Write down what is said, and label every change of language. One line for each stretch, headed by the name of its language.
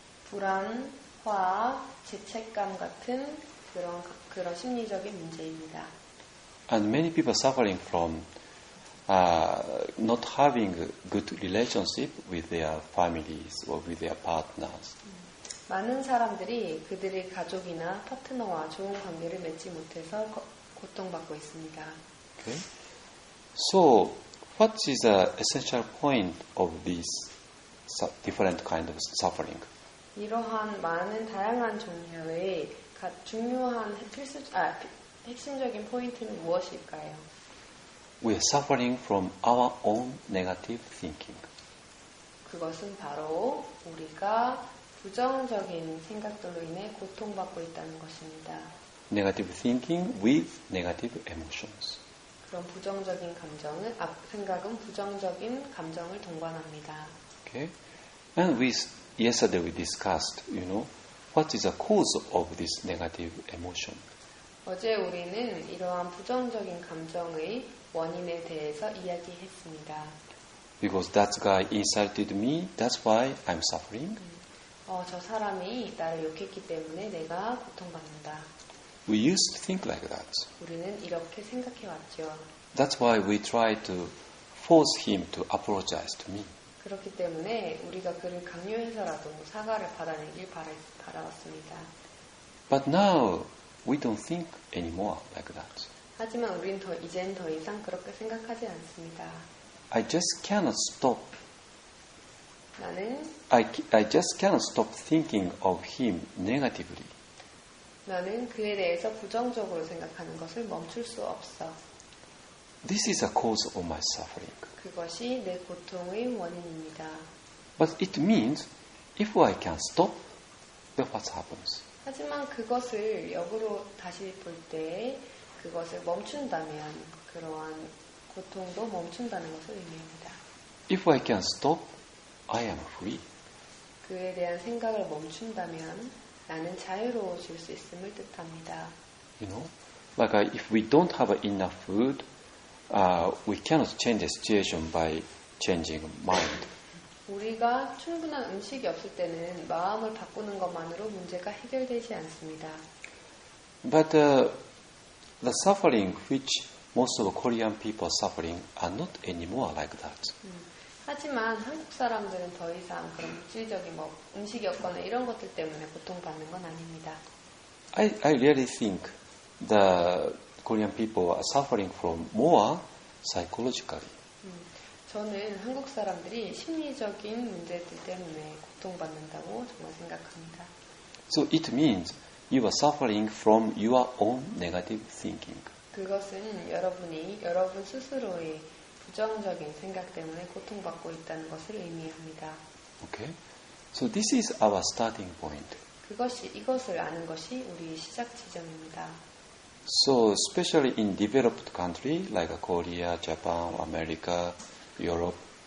Korean: 불안과 죄책감 같은 그런 심리적인 문제입니다.
English: And many people suffering from not having good relationship with their families or with their partners.
Korean: 많은 사람들이 그들의 가족이나 파트너와 좋은 관계를 맺지 못해서 고통받고 있습니다.
English: Okay. So, what is the essential point of these different kind of suffering?
Korean: 이러한 많은 다양한 종류의 중요한 핵심적인 포인트는 무엇일까요?
English: We are suffering from our own negative thinking.
Korean: 그것은 바로 우리가 부정적인 생각들로 인해 고통받고 있다는 것입니다.
English: Negative thinking with negative emotions.
Korean: 그런 부정적인 감정은 생각은 부정적인 감정을 동반합니다.
English: Okay. And yesterday we discussed, you know, what is the cause of this negative emotion?
Korean: 어제 우리는 이러한 부정적인 감정의 원인에 대해서 이야기했습니다.
English: Because that guy insulted me, that's why I'm suffering.
Korean: 저 사람이 나를 욕했기 때문에 내가 고통받는다.
English: We used to think like that.
Korean: 우리는 이렇게 생각해 왔죠.
English: That's why we try to force him to apologize to me.
Korean: 그렇기 때문에 우리가 그를 강요해서라도 사과를 받아내길 바라왔습니다.
English: But now We don't think anymore like that.
Korean: 하지만 우리는 이젠 더 이상 그렇게 생각하지 않습니다.
English: I just cannot stop.
Korean: 나는
English: I just cannot stop thinking of him negatively.
Korean: 나는 그에 대해서 부정적으로 생각하는 것을 멈출 수 없어.
English: This is a cause of my suffering.
Korean: 그것이 내 고통의 원인입니다.
English: But it means if I can stop, then what happens?
Korean: 하지만 그것을 역으로 다시 볼 때 그것을 멈춘다면 그러한 고통도 멈춘다는 것을 의미합니다.
English: If I can stop, I am free.
Korean: 그에 대한 생각을 멈춘다면 나는 자유로워질 수 있음을 뜻합니다.
English: You know, like if we don't have enough food, we cannot change the situation by changing mind.
Korean: 우리가 충분한 음식이 없을 때는 마음을 바꾸는 것만으로 문제가 해결되지 않습니다.
English: But the suffering which most of Korean people are suffering are not anymore like that.
Korean: 하지만 한국 사람들은 더 이상 그런 물질적인 뭐 음식이 없거나 이런 것들 때문에 고통받는 건 아닙니다.
English: I really think the Korean people are suffering from more psychologically.
Korean: 저는 한국 사람들이 심리적인 문제들 때문에 고통받는다고 정말 생각합니다.
English: So it means you are suffering from your own negative thinking.
Korean: 그것은 여러분이 여러분 스스로의 부정적인 생각 때문에 고통받고 있다는 것을 의미합니다.
English: Okay. So this is our starting point.
Korean: 이것을 아는 것이 우리의 시작 지점입니다.
English: So especially in developed countries like Korea, Japan, America, Europe.